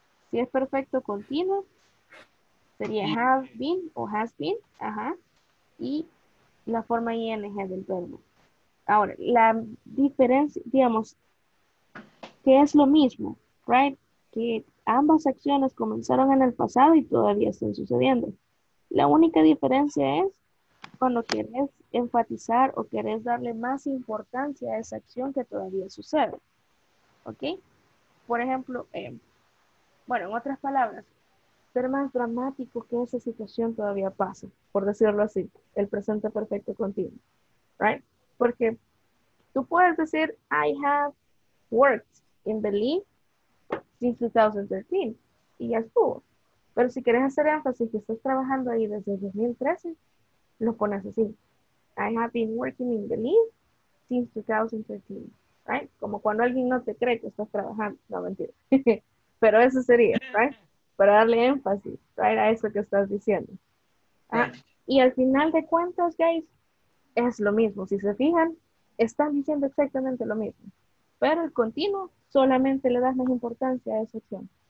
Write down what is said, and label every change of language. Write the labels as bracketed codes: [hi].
[es] Si es perfecto continuo, sería [en] have been [es] o [en] has been. [es] Ajá. Y la forma ing del verbo. Ahora, la diferencia, digamos, que es lo mismo, right? Que ambas acciones comenzaron en el pasado y todavía están sucediendo. La única diferencia es cuando quieres enfatizar o quieres darle más importancia a esa acción que todavía sucede. ¿Ok? Por ejemplo, bueno, en otras palabras, ser más dramático que esa situación todavía pasa, por decirlo así, el presente perfecto continuo, right? Porque tú puedes decir, [en] I have worked in the league since 2013, [es] y ya estuvo. Pero si quieres hacer énfasis que estás trabajando ahí desde 2013, lo pones así. [en] I have been working in the league since 2013, right? [es] Como cuando alguien no te cree que estás trabajando, no, mentira. Pero eso sería, right? Para darle énfasis, right, a eso que estás diciendo. Ah, y al final de cuentas, guys, es lo mismo. Si se fijan, están diciendo exactamente lo mismo. Pero el continuo solamente le das más importancia a esa acción.